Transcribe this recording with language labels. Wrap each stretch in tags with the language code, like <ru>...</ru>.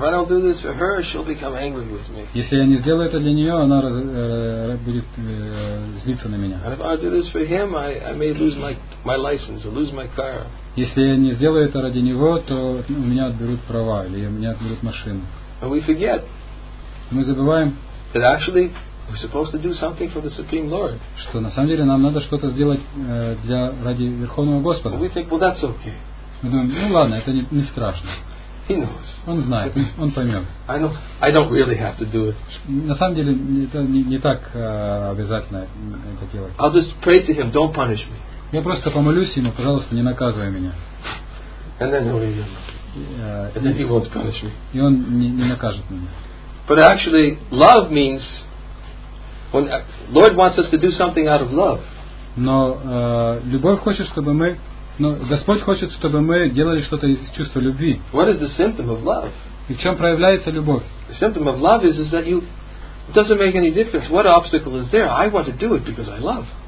<en>If I don't do this for her, she'll become angry with me.</en> <ru>Если я не сделаю это для нее, она будет злиться на меня.</ru> <en>If I do this for him, I may lose my license, or lose my car.</en> <ru>Если я не сделаю это ради него, то у меня отберут права или у меня отберут машину.</ru> <en>And we forget.</en> <ru>Мы забываем.</ru> <en>That actually we're supposed to do something for the Supreme Lord.</en> <ru>Что на самом деле нам надо что-то сделать для ради Верховного Господа.</ru> <en>But we think, well, that's okay.</en> <ru>Мы думаем, ну ладно, это не страшно.</ru> <en>He knows.</en> <ru>Он знает, он поймет.</ru> <en>I don't really have to do it.</en> <ru>На самом деле это не так обязательно это делать.</ru> <en>I'll just pray to him, don't punish me.</en> <ru>Я просто помолюсь ему, пожалуйста, не наказывай меня.</ru> <en>And then he'll leave. And then he won't punish me.</en> <ru>И он не накажет меня.</ru> <en>But actually, love means when Lord wants us to do something out of love.</en> <ru>Но любовь хочет, чтобы мы, но Господь хочет, чтобы мы делали что-то из чувства любви.</ru> <en>What is the symptom of love?</en> <ru>И в чем проявляется любовь?</ru> <en>The symptom of love is that you, it doesn't make any difference what obstacle is there. I want to do it because I love.</en>